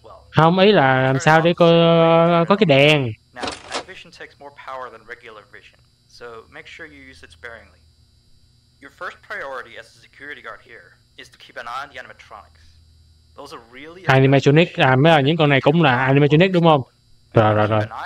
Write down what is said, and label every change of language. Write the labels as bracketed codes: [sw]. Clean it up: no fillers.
[vi] Không, ý là làm sao để có cái đèn. [en] Night vision takes more power than regular vision. So make sure you use it sparingly. Your first priority as a security guard here is to keep an eye on the animatronics. Those are really animatronic. [vi] À, mấy những con này cũng là animatronic đúng không? Rồi.